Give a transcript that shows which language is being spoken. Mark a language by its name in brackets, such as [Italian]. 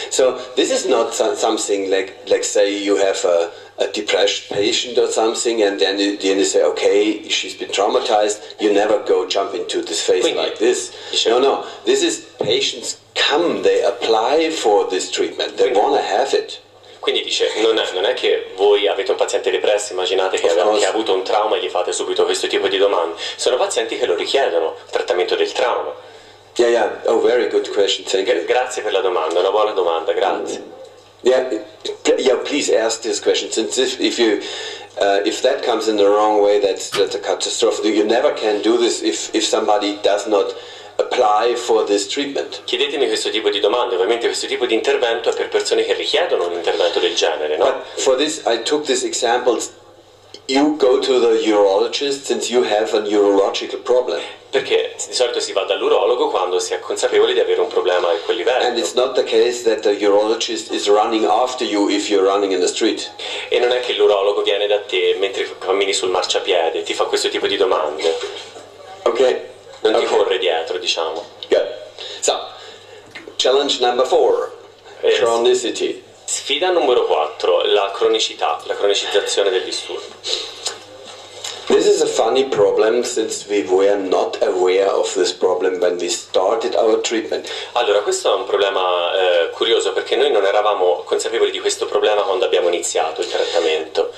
[English] So this is not something like say you have a depressed patient or something, and then you say, okay, she's been traumatized. You never go jump into this phase like this. Sure. No. This is patients come, they apply for this treatment. They want to have it. [Italian] Quindi dice, non è che voi avete un paziente depresso, immaginate che ha avuto un trauma e gli fate subito questo tipo di domande. Sono pazienti che lo richiedono, trattamento del trauma. [English] Yeah. Oh, very good question. Thank you. [Italian] Grazie per la domanda, una buona domanda, grazie. [English] Yeah, please ask this question, since if that comes in the wrong way, that's a catastrophe. You never can do this if somebody does not apply for this treatment. [Italian] Chiedetemi questo tipo di domande. Ovviamente questo tipo di intervento è per persone che richiedono un intervento del genere, no? [English] But for this, I took this example. You go to the urologist since you have a neurological problem. [Italian] Perché di solito si va dall'urologo quando si è consapevoli di avere un problema a quel livello. [English] And it's not the case that the urologist is running after you if you're running in the street. [Italian] E non è che l'urologo viene da te mentre cammini sul marciapiede e ti fa questo tipo di domande. [English] Okay. [Italian] Non ti corre dietro, diciamo. [English] Good. So, challenge number four, chronicity. [Italian] Sfida numero 4, la cronicità, la cronicizzazione del disturbo. [English] This is a funny problem since we were not aware of this problem when we started our treatment. [Italian] Allora, questo è un problema curioso perché noi non eravamo consapevoli di questo problema quando abbiamo iniziato il trattamento.